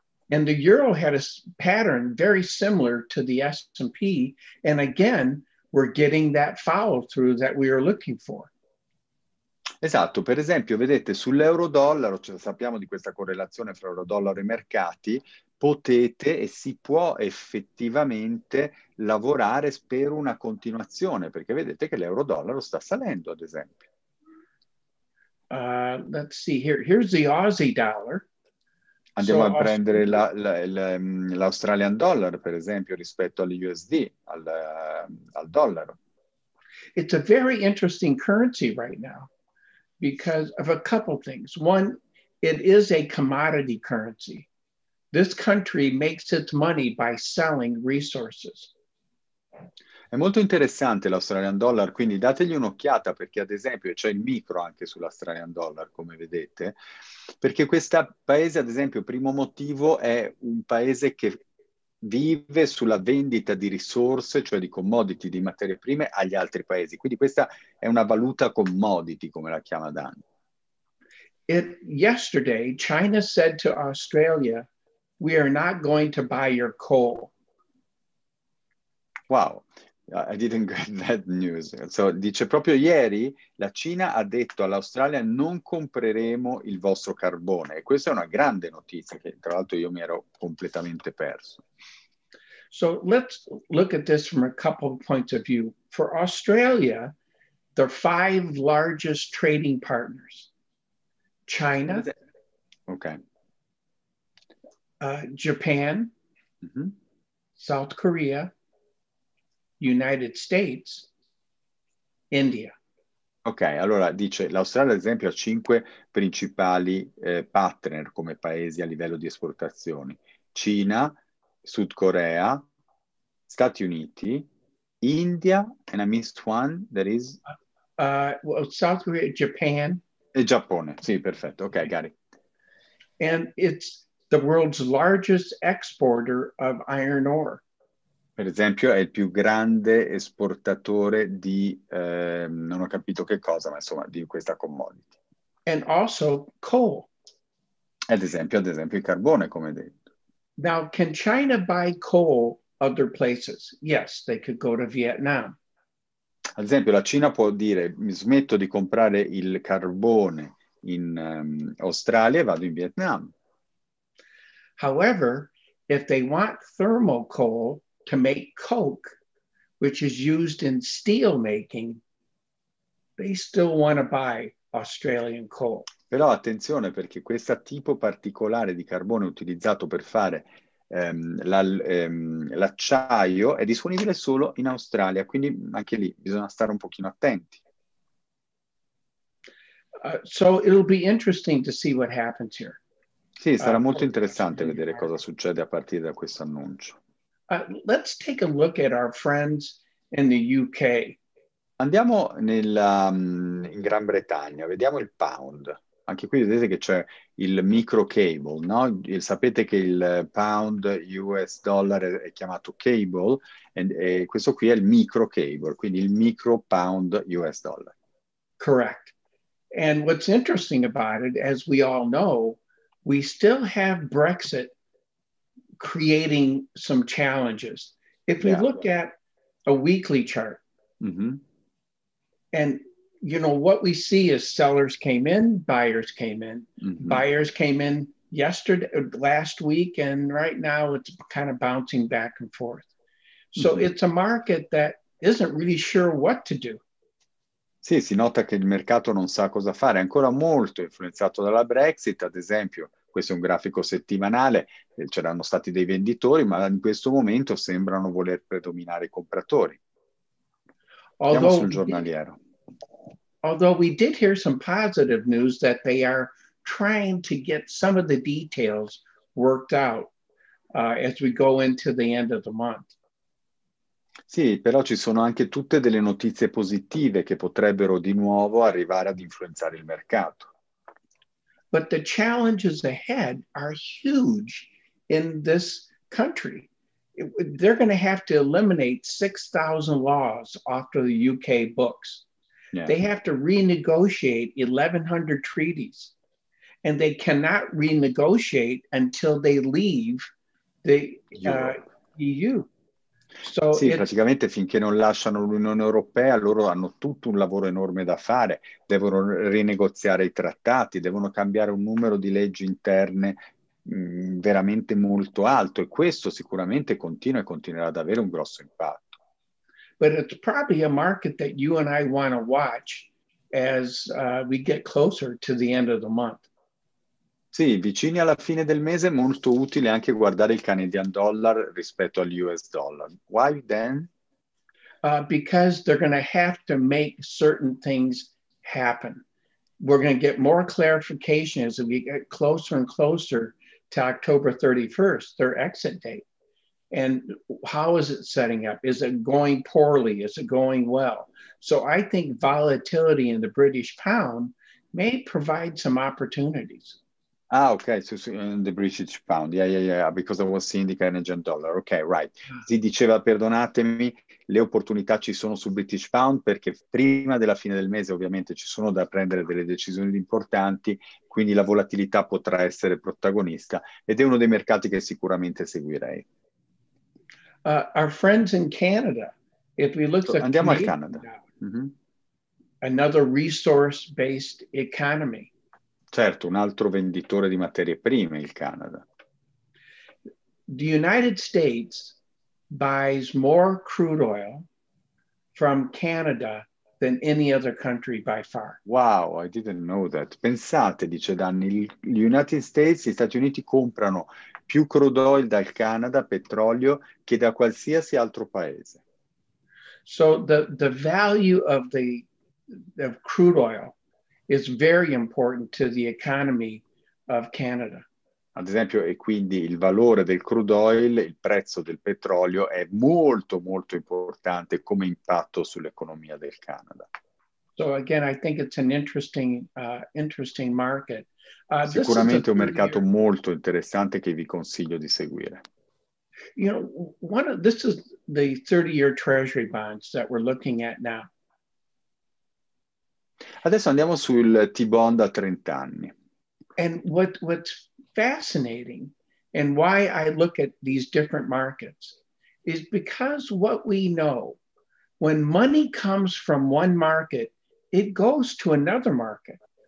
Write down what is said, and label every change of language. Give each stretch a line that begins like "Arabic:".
English: And the euro had a pattern very similar to the S&P, and again, we're getting that follow through that we are looking for.
Italian: Esatto, per esempio, vedete, sull'euro dollaro, cioè sappiamo di questa correlazione fra euro dollaro e mercati, potete e si può effettivamente lavorare per una continuazione, perché vedete che l'euro dollaro sta salendo, ad esempio.
English: Let's see here. Here's the Aussie dollar.
Italian: Andiamo a prendere l'Australian dollar, per esempio, rispetto all'USD, al dollaro.
English: It's a very interesting currency right now. Because of a couple things. One, it is a commodity currency. This country makes its money by selling resources.
Italian: È molto interessante l'Australian dollar, quindi dategli un'occhiata perché, ad esempio, c'è il micro anche sull'Australian dollar, come vedete, perché questo paese, ad esempio, primo motivo è un paese che vive sulla vendita di risorse, cioè di commodity, di materie prime, agli altri paesi. Quindi questa è una valuta commodity, come la chiama Dan.
English: Yesterday, China said to Australia, we are not going to buy your coal. Wow, I didn't get that news.
Italian: So, dice proprio ieri, la Cina ha detto all'Australia, non compreremo il vostro carbone. E questa è una grande notizia, che tra l'altro io mi ero completamente perso.
English: So let's look at this from a couple of points of view. For Australia, the five largest trading partners, China, okay, Japan, mm-hmm, South Korea, United States, India.
Italian: Ok, allora dice l'Australia ad esempio ha cinque principali partner come paesi a livello di esportazioni. Cina, Sud Corea, Stati Uniti, India,
English: and I missed one, that is? South Korea, Japan.
Italian: E Giappone, sì, perfetto, ok,
English: got it. And it's the world's largest exporter of iron ore.
Italian: Per esempio, è il più grande esportatore di, non ho capito che cosa, ma insomma, di questa commodity.
English: And also coal.
Italian: Ad esempio il carbone, come detto.
English: Now, can China buy coal other places? Yes, they could go to Vietnam.
Italian: Ad esempio, la Cina può dire, mi smetto di comprare il carbone in Australia e vado in Vietnam.
English: However, if they want thermal coal to make coke, which is used in steel making, they still want to buy Australian coal.
Italian: Però attenzione, perché questo tipo particolare di carbone utilizzato per fare l'acciaio è disponibile solo in Australia, quindi anche lì bisogna stare un pochino attenti.
English: So it'll be interesting to see what happens here.
Italian: Sì, sarà molto interessante vedere cosa succede a partire da questo annuncio.
English: Let's take a look at our friends in the UK.
Italian: Andiamo in Gran Bretagna, vediamo il pound. Anche qui vedete che c'è il micro cable, no? Sapete che il pound US dollar è chiamato cable, e questo qui è il micro cable, quindi il micro pound US dollar.
English: Correct. And what's interesting about it, as we all know, we still have Brexit creating some challenges. If we look at a weekly chart, and you know what we see is sellers came in, buyers came in. Mm-hmm. Buyers came in last week, and right now it's kind of bouncing back and forth. So it's a market that isn't really sure what to do.
Italian: Sì, si nota che il mercato non sa cosa fare, è ancora molto influenzato dalla Brexit, ad esempio. Questo è un grafico settimanale, c'erano stati dei venditori, ma in questo momento sembrano voler predominare i compratori. Andiamo sul giornaliero.
English: Although we did hear some positive news that they are trying to get some of the details worked out as we go into the end of the month.
Italian: Sì, però ci sono anche tutte delle notizie positive che potrebbero di nuovo arrivare ad influenzare il mercato.
English: But the challenges ahead are huge in this country. They're going to have to eliminate 6,000 laws off of the UK books. Yeah. They have to renegotiate 1,100 treaties. And they cannot renegotiate until they leave the EU.
Italian: So sì, praticamente finché non lasciano l'Unione Europea, loro hanno tutto un lavoro enorme da fare, devono rinegoziare i trattati, devono cambiare un numero di leggi interne veramente molto alto, e questo sicuramente continua e continuerà ad avere un grosso impatto.
English: But it's probably a market that you and I want to watch as we get closer to the end of the month.
Italian: Sì, vicini alla fine del mese è molto utile anche guardare il Canadian dollar rispetto all'US dollar.
English: Why then? Because they're going to have to make certain things happen. We're going to get more clarification as we get closer and closer to October 31st, their exit date. And how is it setting up? Is it going poorly? Is it going well? So I think volatility in the British pound may provide some opportunities. Ah, okay, so in the British pound, yeah, because I was seeing the Canadian dollar, okay, right.
Italian: Si diceva, perdonatemi, le opportunità ci sono sul British pound, perché prima della fine del mese ovviamente ci sono da prendere delle decisioni importanti, quindi la volatilità potrà essere protagonista, ed è uno dei mercati che sicuramente seguirei.
English: Our friends in Canada, if we look at
Italian: andiamo al Canada.
English: Another resource-based economy.
Italian: Certo, un altro venditore di materie prime, il Canada.
English: The United States buys more crude oil from Canada than any other country by far. Wow, I didn't know that.
Italian: Pensate, dice Danny, gli Stati Uniti comprano più crude oil dal Canada, petrolio, che da qualsiasi altro paese.
English: So the value of the crude oil is very important to the economy of Canada.
Italian: Ad esempio, e quindi il valore del crude oil, il prezzo del petrolio è molto molto importante come impatto sull'economia del Canada.
English: So again, I think it's an interesting market.
Italian: Sicuramente un mercato molto interessante che vi consiglio di seguire.
English: You know, this is the 30-year treasury bonds that we're looking at now.
Italian: Adesso andiamo sul T-bond a 30 anni.
English: And what's fascinating and why I look at these different markets is because what we know, when money comes from one market, it goes to another market.